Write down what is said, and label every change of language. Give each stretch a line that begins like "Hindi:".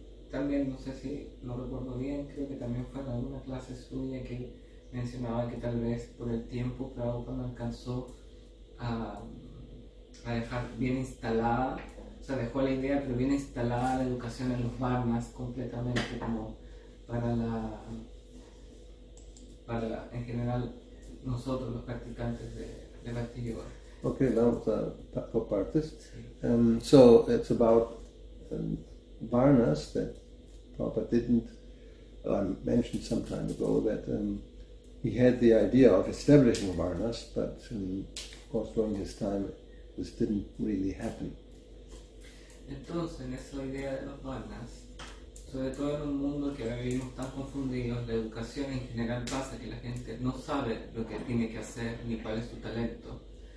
Spanish: También, no sé si lo recuerdo bien, creo que también fue en alguna clase suya que mencionaba que tal vez por el tiempo Prabhupada no alcanzó a dejar bien instalada, o sea, dejó la idea, pero bien instalada la educación en los varnas completamente como para la, en general, nosotros los practicantes de Bhakti-yoga. Ok, vamos a por partes. Sí.
English: So, it's about varnas that Prabhupada didn't, mentioned some time ago that he had the idea of establishing varnas, but of course during his time this didn't really happen.
Spanish: Entonces, en esa idea de los varnas, sobre todo en un mundo que vivimos tan confundidos, la educación en general pasa que la gente no sabe lo que tiene que hacer ni cuál es su talento.